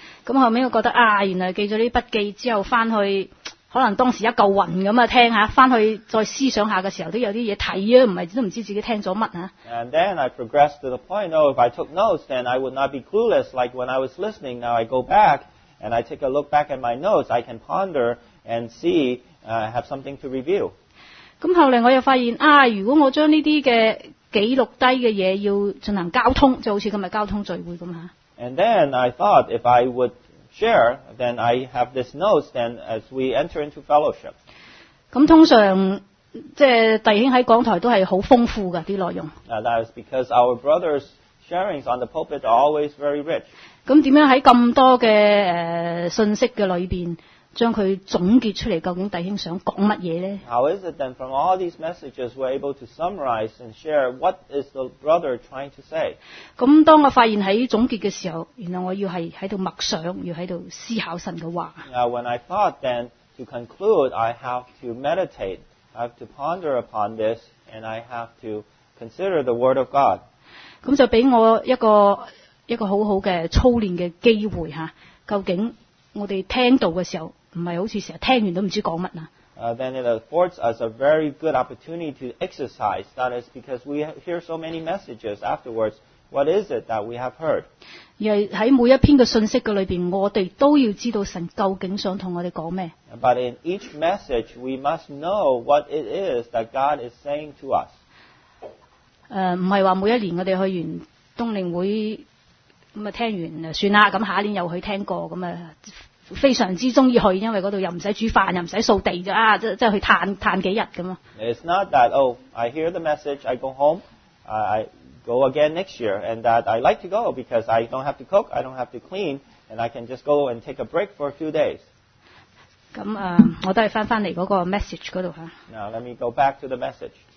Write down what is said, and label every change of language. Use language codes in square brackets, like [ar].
[yue] 咁後屘我覺得啊，原來記咗啲筆記之後翻去，可能當時一嚿雲咁啊聽嚇，翻去再思想下嘅時候都有啲嘢睇啊，唔係都唔知自己聽咗乜嚇。 [en] And then I progressed to the point, oh, if I took notes, then I would not be clueless. Like when I was listening, now I go back and I take a look back at my notes, I can ponder and see, have something to review. [yue] 咁後嚟我又發現啊，如果我將呢啲嘅記錄低嘅嘢要進行交通，就好似今日交通聚會咁嚇。 [en] And then I thought if I would share, then I have this notes. Then as we enter into fellowship, [yue] 咁通常即係弟兄喺講台都係好豐富嘅啲內容。 [en] That is because our brothers' sharings on the pulpit are always very rich. [yue] 咁點樣喺咁多嘅信息嘅裏邊？將佢總結出嚟，究竟弟兄想講乜嘢咧 [en] ？How is it then from all these messages we're able to summarize and share what is the brother trying to say？ [yue] 咁當我發現喺總結嘅時候，原來我要係喺度默想，要喺度思考神嘅話。 [en] When I thought then to conclude, I have to meditate, I have to ponder upon this, and I have to consider the word of God。 [yue] 咁就俾我一個好好嘅操練嘅機會嚇，究竟？我哋聽到嘅時候，唔係好似成日聽完都唔知講乜啊。 [en] Then it affords us a very good opportunity to exercise. That is because we hear so many messages afterwards. What is it that we have heard? [yue] 而喺每一篇嘅信息嘅裏邊，我哋都要知道神究竟想同我哋講咩。 [en] But in each message, we must know what it is that God is saying to us. [yue] 唔係話每一年我哋去完冬令會。咁啊，聽完算啦。咁下一年又去聽過，咁啊，非常之中意去，因為嗰度又唔使煮飯，又唔使掃地啫。啊，即係去嘆嘆幾日咁啊。 [en] It's not that. Oh, I hear the message. I go home, I go again next year, and that I like to go because I don't have to cook, I don't have to clean, and I can just go and take a break for a few days. [yue] 咁啊，我都係翻翻嚟嗰個 message 嗰度嚇。 [en] Now let me go back to the message.